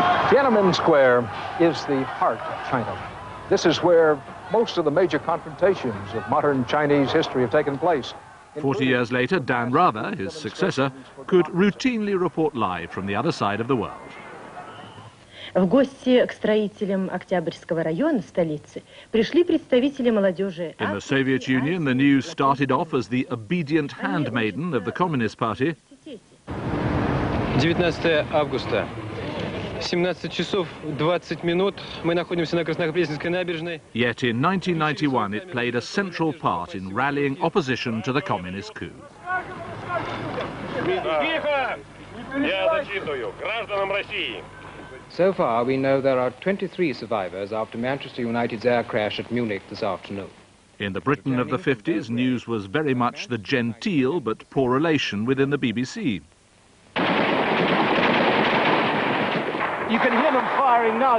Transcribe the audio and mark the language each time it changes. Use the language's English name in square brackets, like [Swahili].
[English] Tiananmen Square is the heart of China. This is where most of the major confrontations of modern Chinese history have taken place. 40 years later, Dan Rather, his successor, could routinely report live from the other side of the world. [Russian] В гости к строителям Октябрьского района столицы пришли представители молодежи. [English] In the Soviet Union, the news started off as the obedient handmaiden of the Communist Party. [Russian] 19 августа, 17 часов 20 минут, мы находимся на Краснопресненской набережной. [English] Yet in 1991, it played a central part in rallying opposition to the communist coup. [Russian] Я зачитываю гражданам России. [English] So far, we know there are 23 survivors after Manchester United's air crash at Munich this afternoon. In the Britain of the 50s, news was very much the genteel but poor relation within the BBC. You can hear them firing now.